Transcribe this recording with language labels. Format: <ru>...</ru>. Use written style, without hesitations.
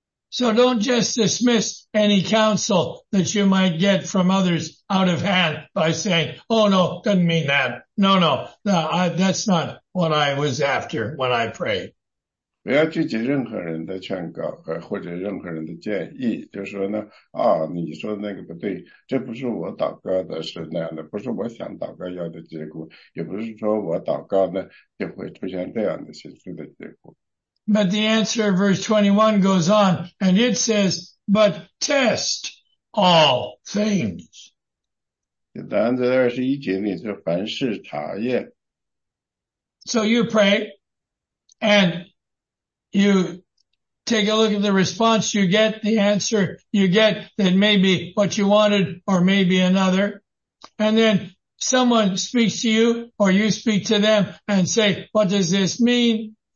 <en>So don't just dismiss any counsel that you might get from others out of hand by saying, oh no, doesn't mean that. That's not what I was after when I prayed.</en> <zh>不要拒绝任何人的劝告或者任何人的建议，就是说呢，你说那个不对，这不是我祷告的是那样的，不是我想祷告要的结果，也不是说我祷告呢就会出现这样的形式的结果。</zh> <en>But the answer, verse 21 goes on, and it says, but test all things.</en> <zh>但在二十一节里是凡事查验。</zh> <en>So you pray and you take a look at the response you get, the answer you get that may be what you wanted or maybe another. And then someone speaks to you or you speak to them and say, what does this mean?</en>